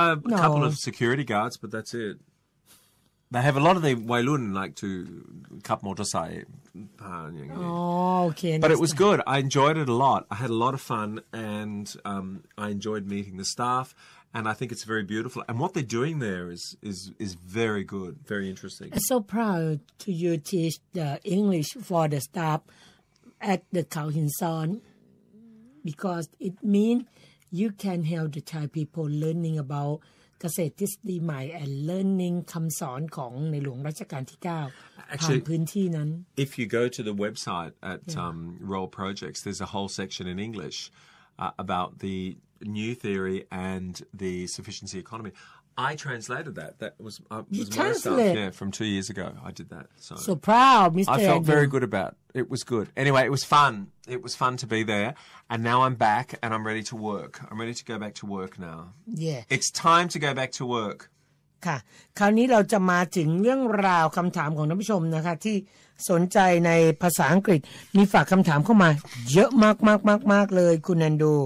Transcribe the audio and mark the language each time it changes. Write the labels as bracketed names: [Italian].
[English] A couple of security guards, but that's it. They have a lot of the Wailun like to cup motosai. But it was good. I enjoyed it a lot. I had a lot of fun and I enjoyed meeting the staff and I think it's very beautiful. And what they're doing there is very good, very interesting. I'm so proud to you teach the English for the staff at the Khao Hin Son because it means you can help the Thai people learning about [Thai] เกษตรทฤษฎีใหม่ [English] and learning [Thai] คำสอนของในหลวงรัชกาลที่9ผ่านพื้นที่นั้น [English] If you go to the website at Royal Projects there's a whole section in English about the new theory and the sufficiency economy I translated that was my stuff from 2 years ago I did that so proud Mr. I felt very good about it was good anyway it was fun to be there and now I'm back and I'm ready to go back to work now yeah it's time to go back to work ก [Thai] ค่ะคราวนี้เราจะมาถึงเรื่องราวคำถามของท่านผู้ชมนะคะที่สนใจในภาษาอังกฤษมีฝากคำถามเข้ามาเยอะมากๆๆๆเลยคุณแอนดู